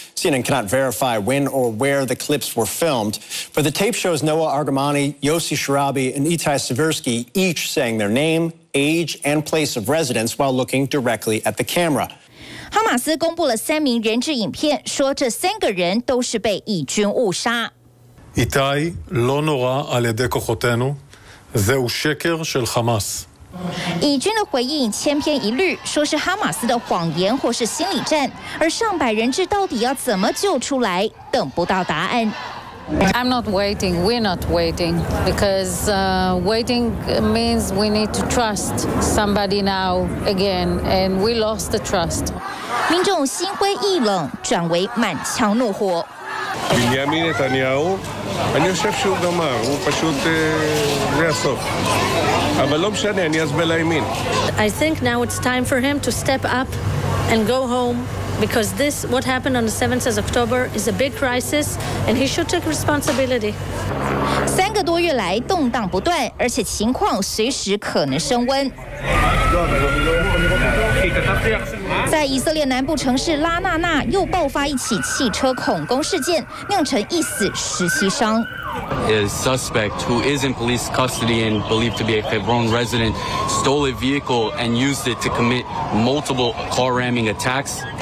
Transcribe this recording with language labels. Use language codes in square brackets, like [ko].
[en] CNN cannot verify when or where the clips were filmed, but the tape shows Noah Argamani, Yossi Shirabi, and Itai Seversky each saying their name, age, and place of residence while looking directly at the camera. [zh] Hamas 公布了三名人质影片，说这三个人都是被以军误杀。 [he] Itai lo nora al yedei kochotenu, zehu sheker shel Hamas. [zh] 以军的回应千篇一律，说是哈马斯的谎言或是心理战，而上百人质到底要怎么救出来，等不到答案。 [en] I'm not waiting. We're not waiting because waiting means we need to trust somebody now again, and we lost the trust. [zh] 民众心灰意冷，转为满腔怒火。 [he] בנימין נתניהו, אני חושב שהוא גמר, הוא פשוט זה הסוף. אבל לא משנה, אני אסביר לימין. [en] I think now it's time for him to step up and go home, because this, what happened on the 7th of October, is a big crisis, and he should take responsibility. [zh] 三个多月来动荡不断，而且情况随时可能升温。在以色列南部城市拉纳纳又爆发一起汽车恐攻事件，酿成一死17伤。 [en] A suspect who is in police custody and believed to be a Hebron resident stole a vehicle and used it to commit multiple car ramming attacks.